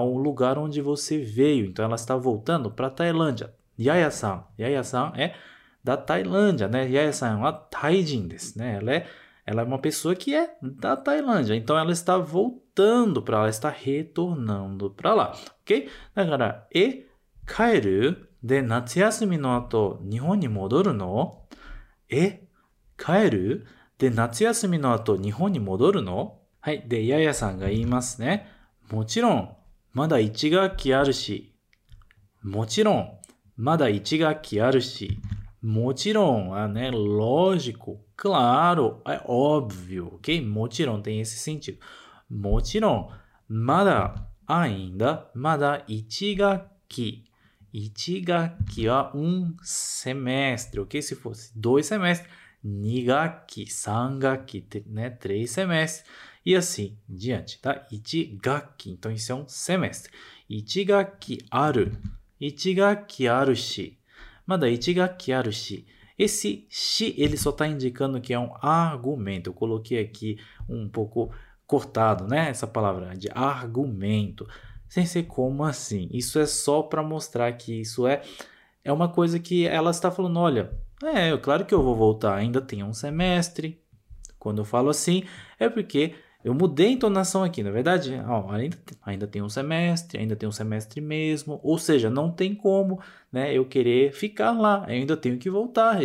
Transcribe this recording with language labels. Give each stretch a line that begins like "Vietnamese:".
Portuguese: Um lugar onde você veio, então ela está voltando para Tailândia. Yaya-san, Yaya-san é da Tailândia, né? Yaya-san é uma Taijin, né? Ela é uma pessoa que é da Tailândia, então ela está voltando para lá, está retornando para lá, ok? Agora, e kaeru...
Japanese: で、夏休みの後、日本に戻るの？え？帰る？で、夏休みの後、日本に戻るの？はい。で、ややさんが言いますね。もちろん、まだ一学期あるし。もちろん、まだ一学期あるし。もちろんはね、
Portuguese: lógico、claro、é óbvio、ok? もちろん、tem esse sentido。
Japanese: もちろん、まだ、ainda、まだ一学期。
Portuguese: 1学期は1 semestre, ok? Se fosse 2 semestre, 2学期、3学期、ね、3 semestre, e assim diante, tá? 1学期、então isso é 1 semestre.
Japanese: 1学期ある、1学期あるし、まだ1学期あるし、
Portuguese: esse し、ele só está indicando que é 1 argumento. Eu coloquei aqui 1 pouco cortado, né? Essa palavra de argumento. Sensei, como assim? Isso é só para mostrar que isso é uma coisa que ela está falando, olha, é, claro que eu vou voltar, ainda tem 1 semestre. Quando eu falo assim, é porque eu mudei a entonação aqui, na verdade, ó, ainda tem 1 semestre, ainda tem 1 semestre mesmo, ou seja, não tem como, né, eu querer ficar lá, eu ainda tenho que voltar.